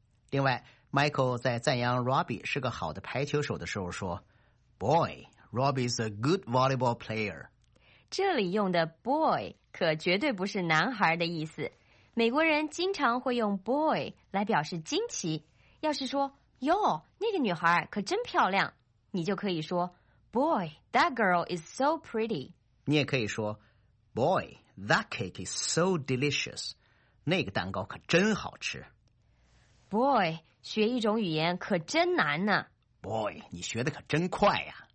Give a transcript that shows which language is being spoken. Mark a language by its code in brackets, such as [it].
[zh] 另外 Michael 在赞扬 Robbie 是个好的排球手的时候说 [en] BoyRobbie is a good volleyball player. [zh] 这里用的 boy 可绝对不是男孩的意思。美国人经常会用 boy 来表示惊奇。要是说，哟，那个女孩可真漂亮，你就可以说 [en] boy, that girl is so pretty. [zh] 你也可以说 [en] boy, that cake is so delicious. [zh] 那个蛋糕可真好吃。 Boy, 学一种语言可真难呢。 Boy, 你学的可真快呀。